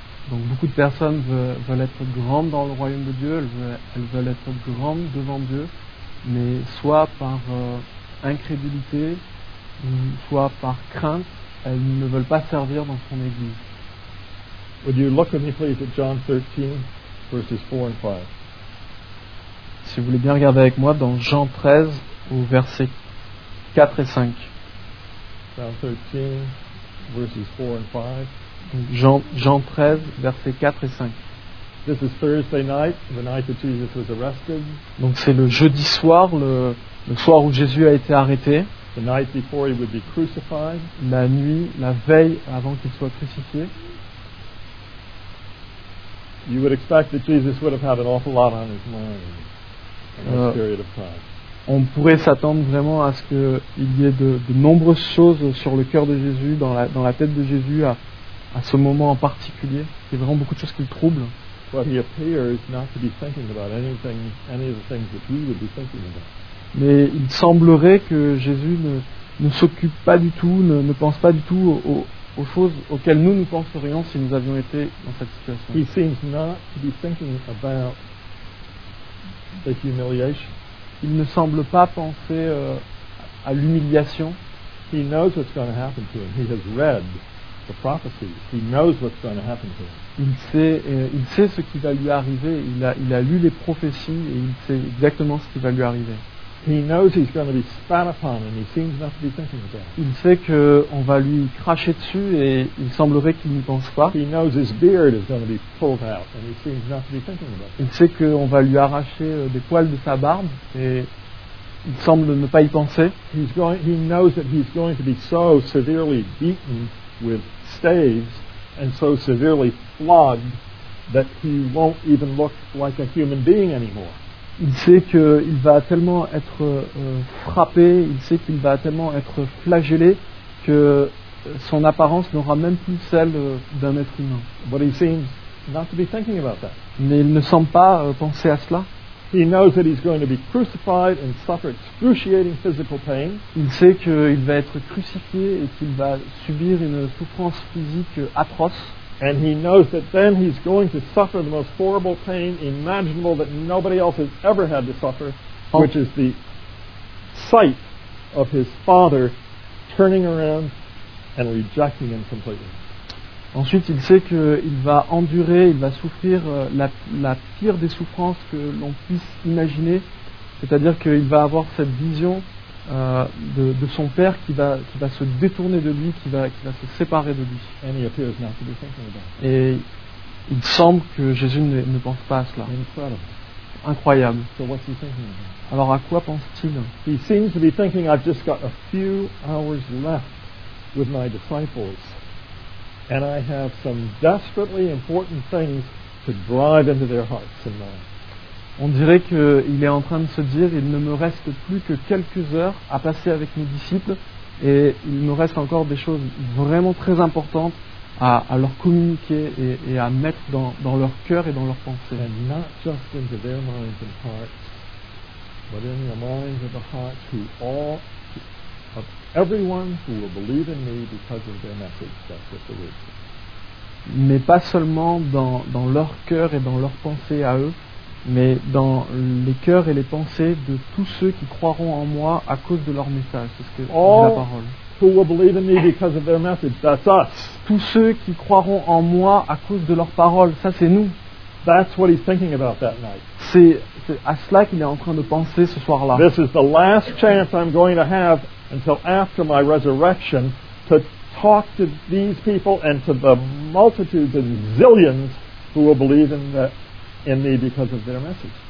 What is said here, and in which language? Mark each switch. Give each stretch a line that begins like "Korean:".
French: Donc beaucoup de personnes veulent être grandes dans le royaume de Dieu, elles veulent être grandes devant Dieu, mais soit par incrédulité ou soit par crainte, elles ne veulent pas servir dans son église.
English: Would you look with me please at John 13, verses 4 and 5?
French: Si vous voulez bien regarder avec moi dans Jean 13, au verset 4 et 5.
English: John 13, verses 4 and 5.
French: Jean 13, verset 4 et 5.
English: This is Thursday night, the night that Jesus was arrested.
French: Donc c'est le jeudi soir, le soir où Jésus a été arrêté.
English: The night before he would be crucified.
French: La nuit, la veille avant qu'il soit crucifié.
English: You would expect that Jesus would have had an awful lot on his mind in that period of time.
French: On pourrait s'attendre vraiment à ce qu'il y ait de nombreuses choses sur le cœur de Jésus, dans la tête de Jésus à ce moment en particulier. Il y a vraiment beaucoup de choses qui le troublent.
English: But he appears not to be thinking about anything, any of the things that he would be thinking about.
French: Mais il semblerait que Jésus ne s'occupe pas du tout, ne pense pas du tout aux choses auxquelles nous penserions si nous avions été dans cette situation.
English: He seems not to be thinking about the humiliation.
French: Il ne semble pas penser à l'humiliation.
English: He knows what's going to happen to him. He has read the prophecies. He knows what's going to happen to him.
French: Il sait ce qui va lui arriver. Il a lu les prophéties et il sait exactement ce qui va lui arriver.
English: He knows he's going to be spat upon, and he seems not to be thinking about it.
French: Il sait qu'on va lui cracher dessus et il semblerait qu'il n'y pense pas.
English: He knows his beard is going to be pulled out, and he seems not to be thinking about it.
French: Il sait qu'on va lui arracher des poils de sa barbe et il semble ne pas y penser.
English: He knows that he's going to be so severely beaten with staves and so severely flogged that he won't even look like a human being anymore.
French: Il sait qu'il va tellement être frappé, il sait qu'il va tellement être flagellé que son apparence n'aura même plus celle d'un être humain.
English: But he seems not to be thinking about that.
French: Mais il ne semble pas penser à cela.
English: He knows that he's going to be crucified and suffer excruciating physical pain.
French: Il sait qu'il va être crucifié et qu'il va subir une souffrance physique atroce.
English: And he knows that then he's going to suffer the most horrible pain imaginable that nobody else has ever had to suffer, which is the sight of his father turning around and rejecting him completely.
French: Ensuite, il sait qu'il va endurer, il va souffrir la pire des souffrances que l'on puisse imaginer, c'est-à-dire qu'il va avoir cette vision de son père qui va se détourner de lui, qui va se séparer de lui.
English: And he appears not to be thinking about it.
French: Et il semble que Jésus ne pense pas à cela.
English: Incredible.
French: Incroyable.
English: So what's he thinking about?
French: Alors à quoi pense-t-il?
English: He seems to be thinking, I've just got a few hours left with my disciples. And I have some desperately important things to drive into their hearts and minds.
French: On dirait qu'il est en train de se dire, il ne me reste plus que quelques heures à passer avec mes disciples, et il me reste encore des choses vraiment très importantes à leur communiquer et à mettre dans leur cœur et dans leurs pensées.
English: And not just into their minds and hearts, but in the minds and the hearts who all. Of everyone who will believe in me because of their message, that's what the word says.
French: Mais pas seulement dans leur cœur et dans leurs pensées à eux, mais dans les cœurs et les pensées de tous ceux qui croiront en moi à cause de leur message. C'est ce que dit la parole.
English: Who will believe in me because of their message, that's us.
French: Tous ceux qui croiront en moi à cause de leur parole, ça c'est nous.
English: That's what he's thinking about that night.
French: C'est à cela qu'il est en train de penser ce soir-là.
English: This is the last chance I'm going to have until after my resurrection to talk to these people and to the multitudes and zillions who will believe in me because of their message.